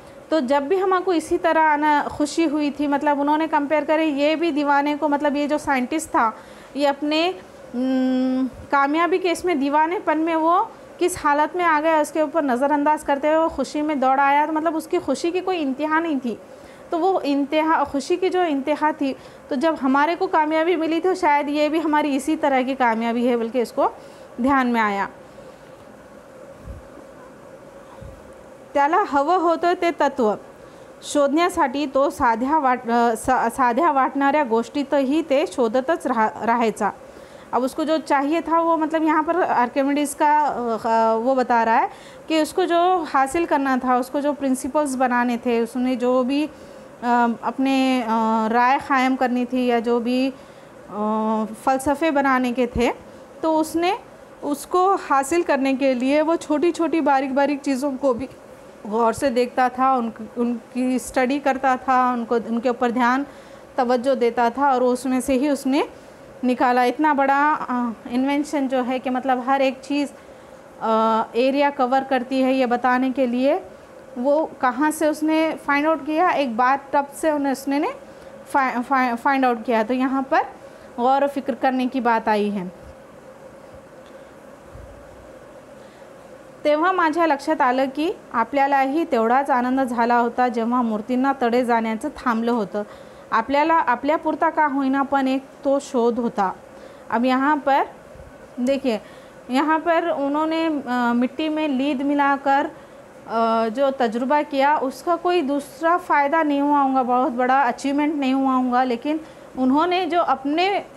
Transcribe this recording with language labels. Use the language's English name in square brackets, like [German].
[Hindi] तो जब भी हमको इसी तरह आना खुशी हुई थी, मतलब उन्होंने कंपेयर करे ये भी दीवाने को, मतलब ये जो साइंटिस्ट था ये अपने कामयाबी के इसमें दीवानेपन में वो किस हालत में आ गया, उसके ऊपर नज़रअंदाज करते हुए वो खुशी में दौड़ आया, तो मतलब उसकी खुशी की कोई इंतहा नहीं थी। तो वो इंतहा खुशी की जो इंतहा थी, तो जब हमारे को कामयाबी मिली थी शायद ये भी हमारी इसी तरह की कामयाबी है, बल्कि इसको ध्यान में आया। [Marathi] त्याला हवं होतं ते तत्व शोधण्यासाठी तो साध्या वाटणाऱ्या गोष्टी तही ते शोधतच राहायचा। [Hindi] अब उसको जो चाहिए था वो मतलब यहाँ पर आर्किमिडीज का वो बता रहा है कि उसको जो हासिल करना था, उसको जो प्रिंसिपल्स बनाने थे, उसने जो भी अपने राय कायम करनी थी या जो भी फ़लसफे बनाने के थे, तो उसने उसको हासिल करने के लिए वो छोटी छोटी बारीक बारीक चीज़ों को भी गौर से देखता था, उनकी स्टडी करता था, उनको उनके ऊपर ध्यान तवज्जो देता था और उसमें से ही उसने निकाला। इतना बड़ा इन्वेंशन जो है कि मतलब हर एक चीज़ एरिया कवर करती है ये बताने के लिए, वो कहाँ से उसने फाइंड आउट किया, एक बात टब से उसने फाइंड आउट किया। तो यहाँ पर गौर फिक्र करने की बात आई है। [Marathi] तेव्हा माझ्या लक्षात आलं की आपल्यालाही तेवढाच आनंद झाला होता जेव्हा मूर्तींना तडे जाण्याचं थांबलं होतं, आपल्याला आपल्यापुरता का होईना पण एक तो शोध होता। [Hindi] अब यहाँ पर देखिए, यहाँ पर उन्होंने मिट्टी में लीद मिलाकर जो तजुर्बा किया उसका कोई दूसरा फ़ायदा नहीं हुआ होगा, बहुत बड़ा अचीवमेंट नहीं हुआ होगा, लेकिन उन्होंने जो अपने